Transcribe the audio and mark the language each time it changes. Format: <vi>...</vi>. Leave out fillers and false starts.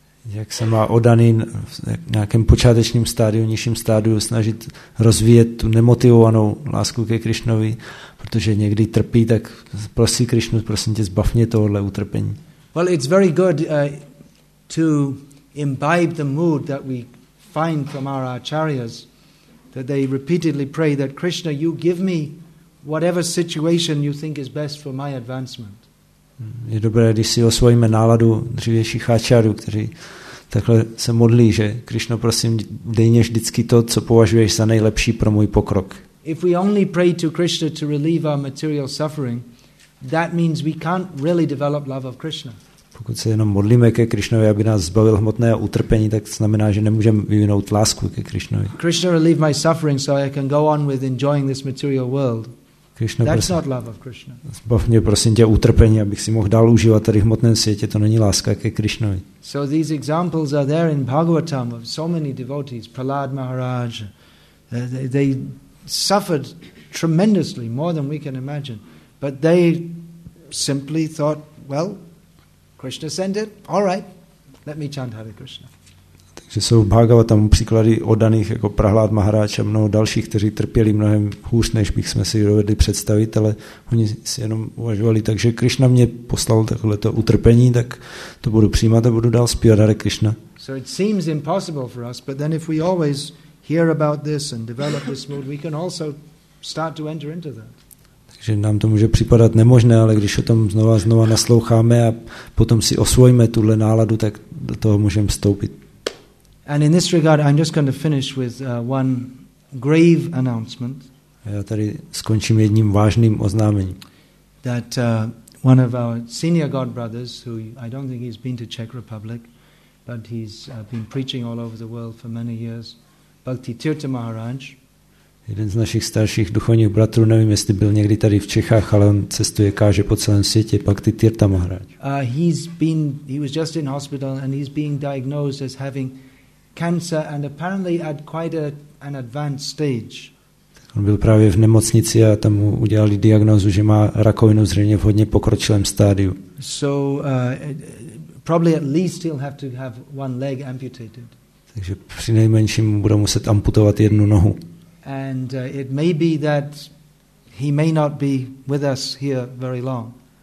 <cs>Jak se má oddaný v nějakém počátečním stádiu, nižším stádiu snažit rozvíjet tu nemotivovanou lásku ke Krišnovi, protože někdy trpí, tak prosí Krišnu, prosím tě, zbav mě tohohle utrpení.</cs> <en>Well, it's very good to imbibe the mood that we find from our acharyas, that they repeatedly pray that Krishna, you give me whatever situation you think is best for my advancement.</en> <cs>Je dobré, když si osvojíme náladu dřívějších áčárů, kteří takhle se modlí, že Krišno, prosím, dej mě vždycky to, co považuješ za nejlepší pro můj pokrok.</cs> <en>If we only pray to Krishna to relieve our material suffering, that means we can't really develop love of Krishna.</en> <cs>Pokud se jenom modlíme ke Krišnovi, aby nás zbavil hmotného utrpení, tak znamená, že nemůžeme vyvinout lásku ke Krišnovi.</cs> <en>Krishna, relieve my suffering so I can go on with enjoying this material world. Krishna, that's</en> <cs>prosím,</cs> <en>not love of Krishna.</en> <cs>Zbav mě, prosím tě, utrpení, abych si mohl dál užívat tady v hmotném světě, to není láska ke Krišnovi.</cs> <en>So these examples are there in Bhagavatam of so many devotees, Prahlad Maharaj. They suffered tremendously, more than we can imagine. But they simply thought, well, Krishna sent it, all right, let me chant Hare Krishna.</en> <cs>Takže jsou v Bhagavatam příklady oddaných jako Prahlad Maharaj a mnoho dalších, kteří trpěli mnohem hůř, než bych jsme si dovedli představit, ale oni si jenom uvažovali, takže Krishna mě poslal takovéto utrpení, tak to budu přijímat a budu dál zpívat Hare Krishna.</cs> <en>So it seems impossible for us, but then if we always hear about this and develop this mood, we can also start to enter into that.</en> <cs>Že nám to může připadat nemožné, ale když o tom znova nasloucháme a potom si osvojíme tuhle náladu, tak do toho můžeme vstoupit.</cs> <en>And in this regard, I'm just going to finish with one grave announcement.</en> <cs>Já tady skončím jedním vážným oznámením.</cs> <en>That one of our senior god brothers, who I don't think he's been to Czech Republic, but he's been preaching all over the world for many years, Bhakti Tirtha Maharaj.</en> <cs>Jeden z našich starších duchovních bratrů, nevím, jestli byl někdy tady v Čechách, ale on cestuje, káže po celém světě, Bhakti Tirtha Maharaj.</cs> <en>He was just in hospital and he's being diagnosed as having cancer and apparently at quite an advanced stage.</en> <cs>On byl právě v nemocnici a tam mu udělali diagnózu, že má rakovinu zřejmě v hodně pokročilém stádiu.</cs> <en>So probably at least he'll have to have one leg amputated.</en> <cs>Takže přinejmenším bude muset amputovat jednu nohu.</cs> <en>And it may be that he may not be with us here very long.</en>